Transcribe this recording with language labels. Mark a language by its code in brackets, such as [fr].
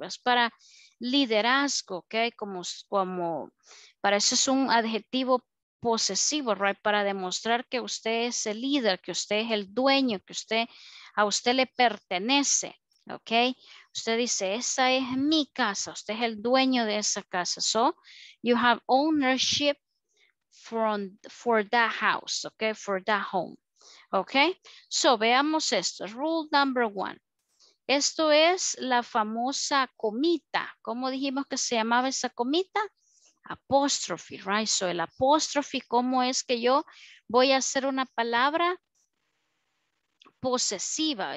[es] Es para liderazgo, ok, como para eso es un adjetivo posesivo, right? Para demostrar que usted es el líder, que usted es el dueño, que usted a usted le pertenece, ok. Usted dice, esa es mi casa, usted es el dueño de esa casa. [en] So, you have ownership for that house, ok, for that home. [es] Ok, so veamos esto, [en] rule number one, [es] esto es la famosa comita, ¿cómo dijimos que se llamaba esa comita? apostrophe, right? So el apostrophe, ¿cómo es que yo voy a hacer una palabra posesiva?